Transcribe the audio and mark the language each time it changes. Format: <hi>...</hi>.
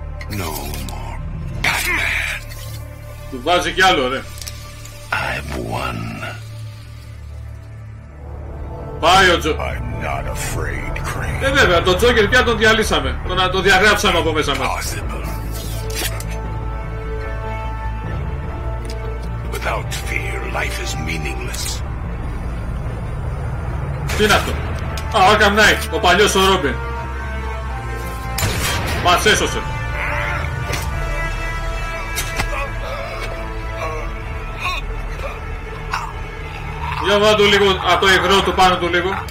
<en>No more Batman.</en> <el>Του βάζει κι άλλο, ρε.</el> <en>I've won.</en> <el>Πάει ο</el> <en>I'm not afraid, Crane.</en> <el>Ε, βέβαια, τον Τζόκερ πια τον διαλύσαμε. Τον το διαγράψαμε από μέσα μας.</el> <en>Without fear, life is meaningless.</en> <el>Τι είναι αυτό? Α, Arkham Knight, ο παλιός ο Ρόμπιν. Μας έσωσε. Για βάλω του λίγο από το υγρό του πάνω του λίγο.</el>